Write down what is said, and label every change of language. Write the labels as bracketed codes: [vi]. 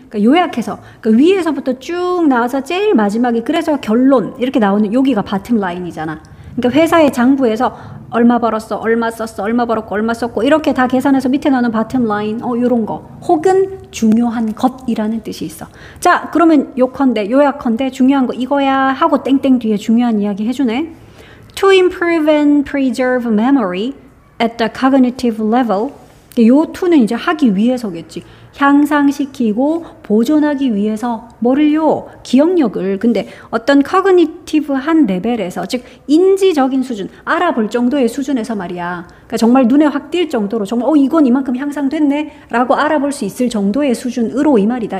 [ko] 그러니까 요약해서, 그러니까 위에서부터 쭉 나와서 제일 마지막에, 그래서 결론 이렇게 나오는 여기가 bottom line이잖아. 그러니까 회사의 장부에서 얼마 벌었어, 얼마 썼어, 얼마 벌었고, 얼마 썼고, 이렇게 다 계산해서 밑에 나오는 bottom line, 요런 거. 혹은 중요한 것이라는 뜻이 있어. 자, 그러면 요컨대, 요약컨대, 중요한 거 이거야 하고 땡땡 뒤에 중요한 이야기 해주네. [en] To improve and preserve memory at the cognitive level. [ko] 요 to는 이제 하기 위해서겠지. 향상시키고 보존하기 위해서, 뭐를요? 기억력을. 근데 어떤 커그니티브한 레벨에서, 즉 인지적인 수준, 알아볼 정도의 수준에서 말이야. 그러니까 정말 눈에 확띌 정도로, 정말 이건 이만큼 향상됐네라고 알아볼 수 있을 정도의 수준으로 이 말이다.